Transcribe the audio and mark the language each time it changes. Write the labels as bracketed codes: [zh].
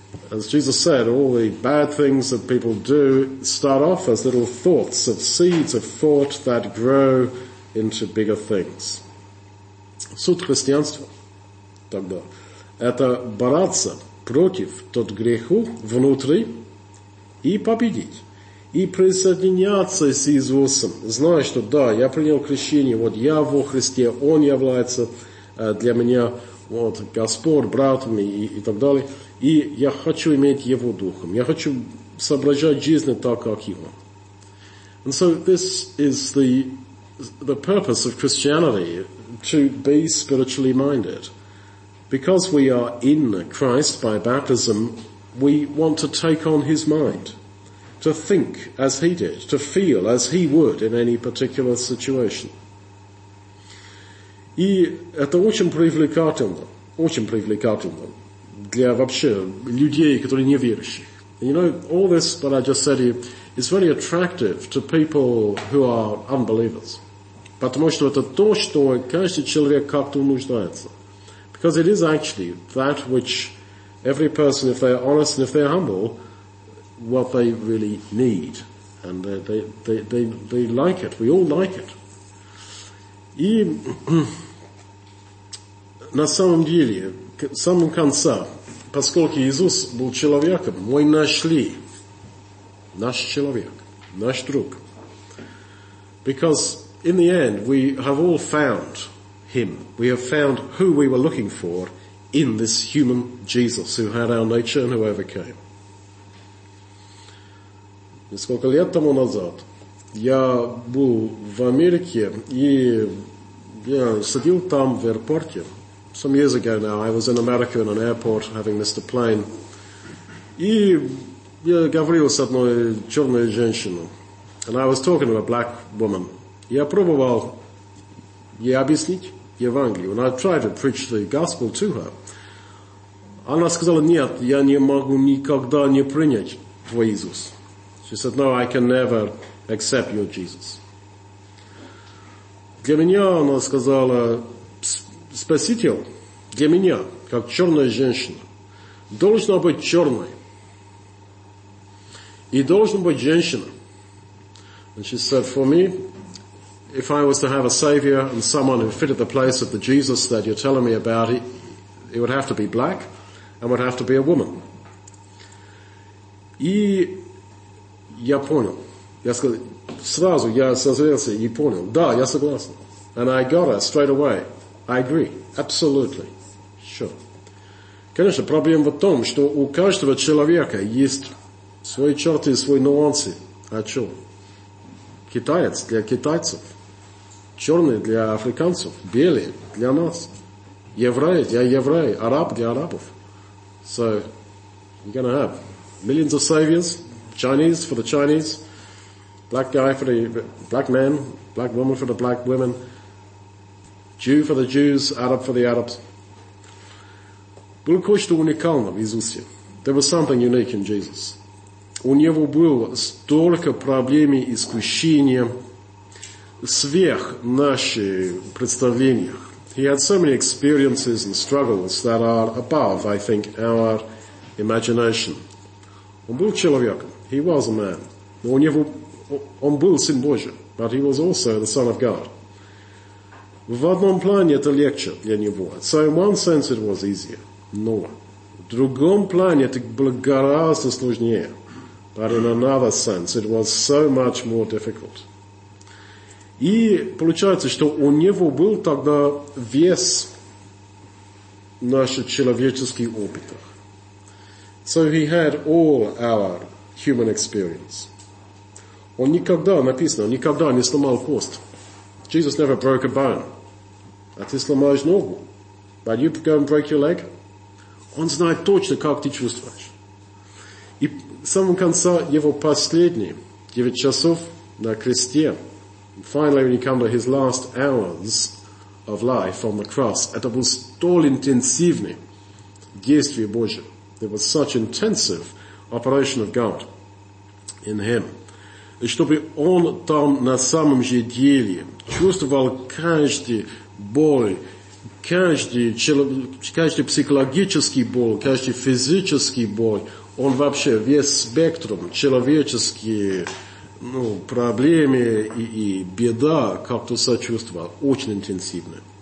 [en] As Jesus said, all the bad things that people do start off as little thoughts, of seeds of thought that grow into bigger things. [ru] Суть христианства тогда – это бороться против тот греху внутри и победить. И присоединяться с Иисусом, зная, что да, я принял крещение, вот я во Христе, Он является для меня вот Господь, братом и так далее. И я хочу иметь Его Духом. Я хочу соображать жизнь так, как Его. [en] And so this is the purpose of Christianity, to be spiritually minded. Because we are in Christ by baptism, we want to take on His mind, to think as He did, to feel as He would in any particular situation. [ru] И это очень привлекательно для вообще людей, которые не верующих. [en] You know, all this that I just said is very attractive to people who are unbelievers. [ru] Потому что это то, что каждый человек как-то нуждается. [en] Because it is actually that which every person, if they're honest and if they're humble, what they really need. And they like it. We all like it. [ru] И на самом деле, в самом конце, поскольку Иисус был человеком, мы нашли наш человек, наш друг. [en] Because in the end, we have all found Him. We have found who we were looking for in this human Jesus who had our nature and who overcame. [ru] Несколько лет тому назад я был в Америке и я сидел там в аэропорте. [en] Some years ago now, I was in America in an airport having missed a plane. [ru] И я говорил с одной черной женщиной. [en] And I was talking to a black woman. [ru] Я пробовал ей объяснить Евангелие. [en] And I tried to preach the gospel to her. [ru] Она сказала, нет, я не могу никогда не принять твой Иисус. [en] She said, no, I can never accept your Jesus. [ru] Для меня, она сказала, Спаситель, для меня, как черная женщина, должна быть черной. И должна быть женщина. [en] And she said, for me, if I was to have a savior and someone who fitted the place of the Jesus that you're telling me about, it would have to be black and would have to be a woman. [ru] И я понял. Я сказал, сразу я созрелся и понял. Да, я согласен. [en] And I got her straight away. I agree. Absolutely. Sure. [ru] Конечно, проблема в том, что у каждого человека есть свои черты и свои нюансы. А что? Китаец для китайцев. Черный для африканцев. Белый для нас. Еврей для евреев. Араб для арабов. [en] So, you're going to have millions of saviors. Chinese for the Chinese. Black guy for the black man. Black woman for the black women. Jew for the Jews. Arab for the Arabs. [ru] Было кое-что уникальное в Иисусе. [en] There was something unique in Jesus. [ru] У него было столько проблем и искушений сверх наших представлений. [en] He had so many experiences and struggles that are above, I think, our imagination. [ru] Он был человеком. [en] He was a man. [ru] Но у него, он был Сын Божий. [en] But he was also the Son of God. [ru] В одном плане это легче для него. [en] So in one sense it was easier. [ru] Но в другом плане это было гораздо сложнее. [en] But in another sense, it was so much more difficult. [ru] И получается, что у него был тогда вес наших человеческих опытов. [en] So he had all our human experience. [ru] Он никогда, написано, никогда не сломал кость. [en] Jesus never broke a bone. [ru] А ты сломаешь ногу. [en] But you go and break your leg. [ru] Он знает точно, как ты чувствуешь. И в самом конце его последние 9 часов на кресте, [en] finally when he came to his last hours of life on the cross, [ru] это было столь интенсивное действие Божие. There was such intensive operation of God in him. И чтобы он там на самом же деле чувствовал каждую боль, каждый психологический боль, каждый физический боль, он вообще весь спектром человеческие проблемы и беда как-то сочувствовал очень интенсивно.